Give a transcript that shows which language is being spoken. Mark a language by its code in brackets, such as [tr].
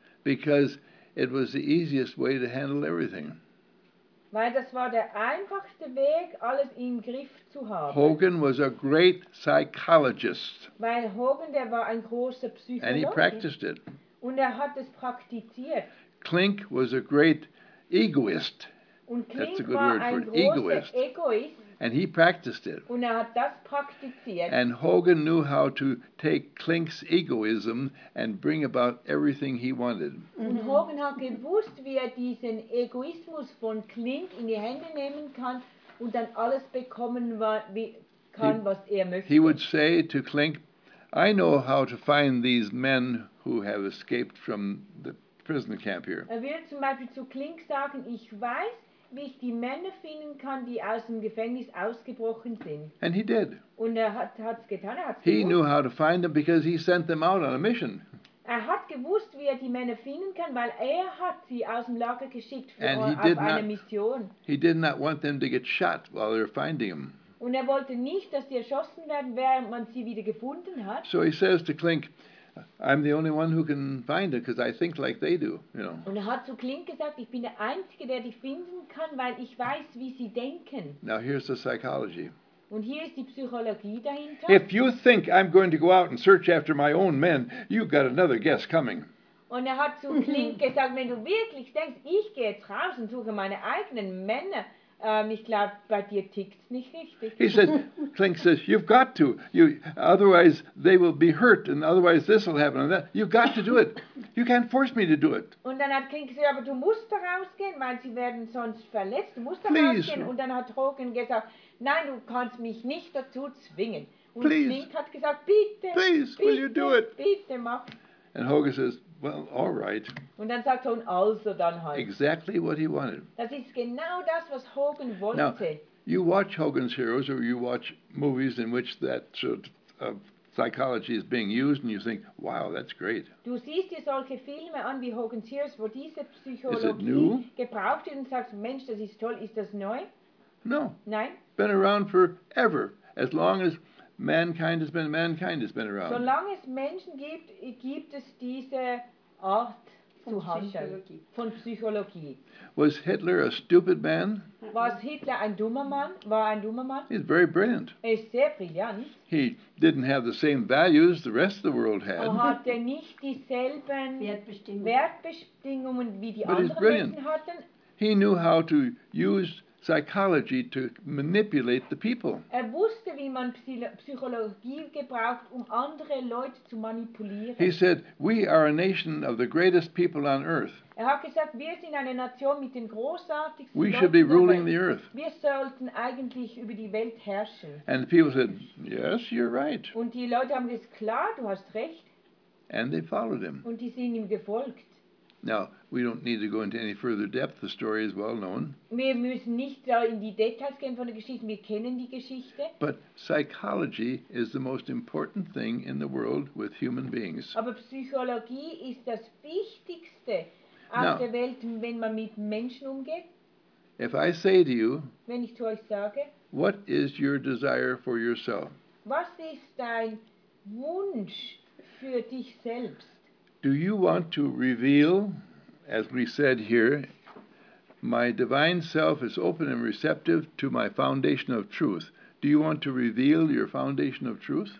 [en] Because it was the easiest way to handle everything. [de] Weil das war der einfachste Weg, alles im Griff zu haben. [en] Hogan was a great psychologist. [de] Weil Hogan, der war ein großer Psychologe. [en] And he practiced it. [de] Und hat es praktiziert. [en] Klink was a great egoist. Und Klink That's a good war word for [de] ein großer egoist. [en] Egoist. And he practiced it. [de] Und hat das praktiziert. [en] And Hogan knew how to take Klink's egoism and bring about everything he wanted. Mm-hmm. [de] Und Hogan hat gewusst, wie diesen Egoismus von Klink in die Hände nehmen kann und dann alles bekommen kann, was möchte. [en] He would say to Klink, I know how to find these men who have escaped from the prison camp here. [de] Er würde zum Beispiel zu Klink sagen, ich weiß, wie ich die Männer finden kann, die aus dem Gefängnis ausgebrochen sind. [en] And he did. [de] Und hat's getan, hat's [en] He knew how to find them because he sent them out on a mission. [de] Er hat gewusst, wie er die Männer finden kann, weil hat sie aus dem Lager geschickt auf eine Mission. [en] He did not want them to get shot while they were finding him. [de] Und wollte nicht, dass sie erschossen werden, während man sie wieder gefunden hat. [en] So he says to Klink, I'm the only one who can find it because I think like they do, you know. [de] Und hat zu Klink gesagt, ich bin der Einzige, der dich finden kann, weil ich weiß, wie sie denken. [en] Now here's the psychology. [de] Und hier ist die Psychologie dahinter. [en] If you think I'm going to go out and search after my own men, you've got another guest coming. [de] Und hat zu Klink gesagt, wenn du wirklich denkst, ich gehe jetzt raus und suche meine eigenen Männer, ich glaube, bei dir tickt's nicht richtig. [en] He said, Klink says, you've got to. You, otherwise, they will be hurt, and otherwise, this will happen. And that. You've got to do it. You can't force me to do it. [de] Und dann hat Klink gesagt, aber du musst rausgehen, weil sie werden sonst verletzt. Du musst rausgehen. Und dann hat Hogan gesagt, nein, du kannst mich nicht dazu zwingen. Und [en] Please. [de] Klink hat gesagt, bitte. [en] Please, [de] bitte, [en] will you do it? [de] Bitte, mach. [en] And Hogan says, Well, all right. [de] Und dann sagt Hogan, also dann halt. [en] Exactly what he wanted. [de] Das ist genau das, was Hogan wollte. [en] Now, you watch Hogan's Heroes or you watch movies in which that sort of psychology is being used and you think, wow, that's great. [de] Du siehst dir solche Filme an wie Hogan's Heroes, wo diese Psychologie gebraucht wird und sagst, Mensch, das ist toll, ist das neu? [en] No. [de] Nein? [en] Been around forever, as long as Mankind has been around. [de] Solange es Menschen gibt, gibt es diese Art zu handeln, von Psychologie. [en] Was Hitler a stupid man? [de] Was Hitler ein dummer Mann? War ein dummer Mann? [en] He's very brilliant. [de] Er ist sehr brillant. [en] He didn't have the same values the rest of the world had. [de] Er hatte nicht dieselben Wertbestimmungen wie die anderen Menschen hatten. [en] He knew how to use psychology to manipulate the people. [de] Er wusste, wie man Psychologie gebraucht, andere Leute zu manipulieren. [en] He said, "We are a nation of the greatest people on earth." [de] Er hat gesagt, wir sind eine Nation mit den großartigsten [en] Leuten. We should be ruling the earth. [de] Wir sollten eigentlich über die Welt herrschen. [en] And the people said, "Yes, you're right." [de] Und die Leute haben gesagt, klar, du hast recht. [en] And they followed him. [de] Und die sind ihm gefolgt. [en] Now, we don't need to go into any further depth. The story is well known. [de] Wir müssen nicht da in die Details gehen von der Geschichte. Wir kennen die Geschichte. [en] But psychology is the most important thing in the world with human beings. [de] Aber Psychologie ist das Wichtigste auf der Welt, wenn man mit Menschen umgeht. [en] If I say to you, [de] wenn ich zu euch sage, [en] what is your desire for yourself? [de] Was ist dein Wunsch für dich selbst? [en] Do you want to reveal, as we said here, my divine self is open and receptive to my foundation of truth? Do you want to reveal your foundation of truth?